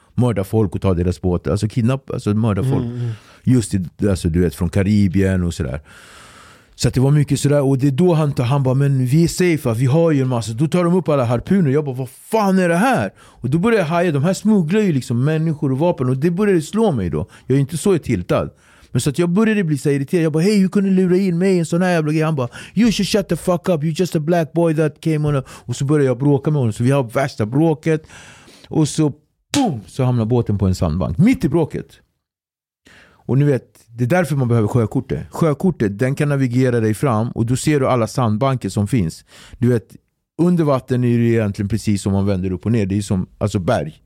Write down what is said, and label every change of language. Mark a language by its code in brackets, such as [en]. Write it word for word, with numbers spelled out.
[sv] mörda folk och ta deras båtar. Alltså kidnappa, alltså mörda folk. Mm. Just det, alltså, du vet, från Karibien och sådär. Så det var mycket sådär. Och det är då han, han bara, men vi är safe, vi har ju en massa. Då tar de upp alla harpuner. Jag bara, vad fan är det här? Och då började jag haja. De här smugglar ju liksom människor och vapen. Och det började slå mig då. Jag är inte så tiltad. Men så att jag började bli så irriterad. Jag bara, hej, hur kunde du lura in mig i en sån här jävla grej? Han bara, [en] you should shut the fuck up. You're just a black boy that came on a... [sv] Och så började jag bråka med honom. Så vi har värsta bråket. Och så, boom, så hamnar båten på en sandbank. Mitt i bråket. Och ni vet, det är därför man behöver sjökortet. Sjökortet, den kan navigera dig fram. Och då ser du alla sandbanker som finns. Du vet, under vatten är det egentligen precis som man vänder upp och ner. Det är som, alltså berg.